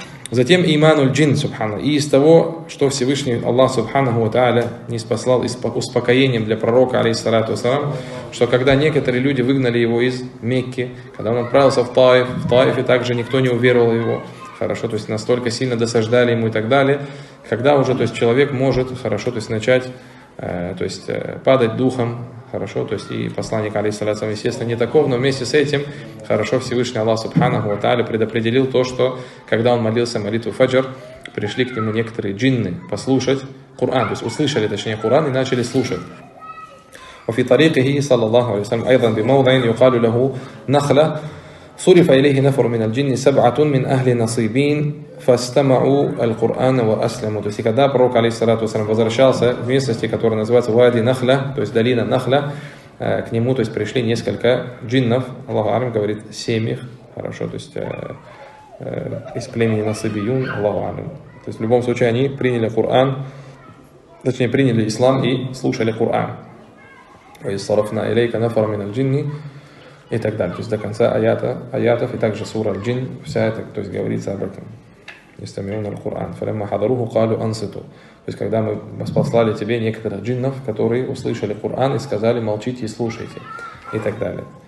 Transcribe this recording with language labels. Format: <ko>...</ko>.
<ru>Затем Иманул Джин, субханаллах. И из того, что Всевышний Аллах, субханаху ва тааля, не спаслал успокоением для пророка, алейхиссалату вассалам, что когда некоторые люди выгнали его из Мекки, когда он отправился в Таифе также никто не уверовал его, хорошо, то есть настолько сильно досаждали ему и так далее, когда уже, то есть человек может, хорошо, то есть начать, то есть падать духом, хорошо, то есть и посланник, алейхиссалям, естественно, не таков, но вместе с этим хорошо Всевышний Аллах Субханаху Ва-Тааля предопределил то, что когда он молился молитву Фаджр, пришли к нему некоторые джинны послушать Коран, то есть услышали, точнее, Коран и начали слушать.</ru> <ar>وفي طريقه صلى الله عليه وسلم أيضا بموضع يقال له نخلة صرف إليه نفر من الجن سبعة من أهل نصيبين فاستمعوا القرآن وأسلموا.</ar> <ru>То есть когда пророк алейхиссалям возвращался в местности, которая называется Вади Нахла, то есть долина Нахла, к нему, то есть пришли несколько джиннов, Аллаху Алям говорит, семь их, хорошо, то есть из племени Насибиюн, Аллаху Алям. То есть в любом случае они приняли Коран, точнее приняли ислам и слушали Коран.</ru> <ar>وَيَصْرَفْنَا إِلَيْكَ نَفَرًا مِنَ الْجِنِّ</ar> <ru>и так далее. То есть до конца аятов, и также сура «Джинн», вся это, то есть говорится об этом.</ru> <ar>يَسْتَمِعُونَ الْقُرْآنَ فَلَمَّا حَضَرُوهُ قَالُوا أَنْصِتُوا.</ar> <ru>То есть когда мы послали тебе некоторых джиннов, которые услышали Коран и сказали «молчите и слушайте», и так далее.</ru>